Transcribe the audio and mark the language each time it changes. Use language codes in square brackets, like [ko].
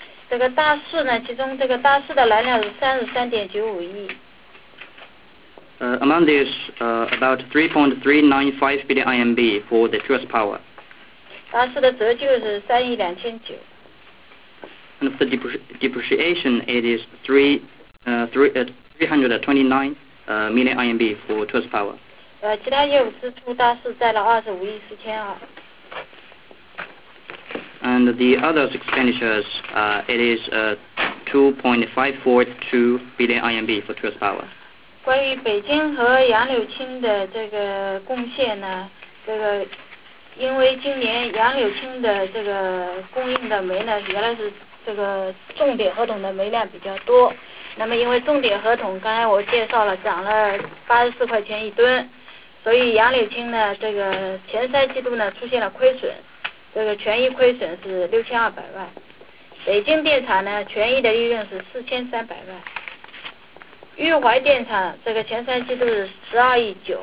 [zh] 这个大市呢，其中这个大市的燃料是33.95亿。 [en] Among this, about 3.395 billion RMB for the fuel power. [zh] 大市的折旧是3.29亿。 [en] And for the depreciation, it is 329 million RMB for trust power. [zh] 其他业务支出大市占了25.42亿。 [en] And the other expenditures, it is 2.542 billion RMB for trust power. [zh] 关于北京和杨柳青的这个贡献呢，这个因为今年杨柳青的这个供应的煤呢，原来是这个重点合同的煤量比较多。那么因为重点合同刚才我介绍了涨了84块钱一吨，所以杨柳青呢这个前三季度呢出现了亏损，这个权益亏损是6200万，北京电厂呢权益的利润是4300万，玉淮电厂这个前三季度是12.9亿。